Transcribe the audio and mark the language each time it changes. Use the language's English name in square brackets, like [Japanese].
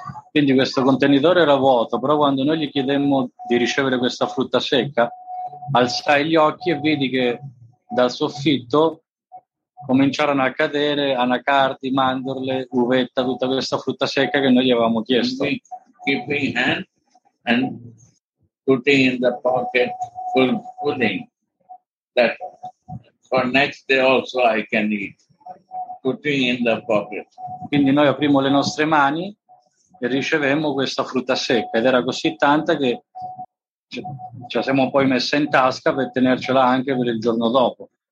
[Italian] Quindi questo contenitore era vuoto, però quando noi gli chiedemmo di ricevere questa frutta secca, alzai gli occhi e vidi che dal soffitto cominciarono a cadere anacardi, mandorle, uvetta, tutta questa frutta secca che noi gli avevamo chiesto. [English] Keeping hand and putting in the pocket full pudding that for next day also I can eat. Putting in the pocket. [Italian] Quindi noi aprimo le nostre mani e ricevemmo questa frutta secca ed era così tanta che ce la siamo poi messa in tasca per tenercela anche per il giorno dopo.